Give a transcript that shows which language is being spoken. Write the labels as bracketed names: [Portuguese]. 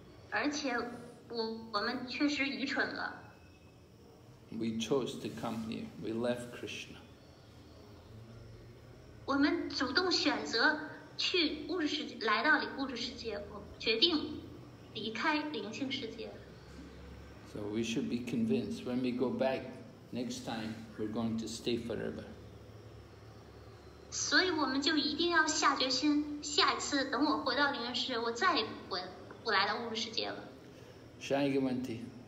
[Chinese] 而且我们确实愚蠢了。 [English] We chose to come here. We left Krishna. [Chinese] 我们主动选择去物质世界，来到物质世界，决定离开灵性世界。 [English] So we should be convinced. When we go back next time, we're going to stay forever. [Chinese] 所以我们就一定要下决心，下一次等我回到灵性世界，我再也不来到物质世界了。下一个问题。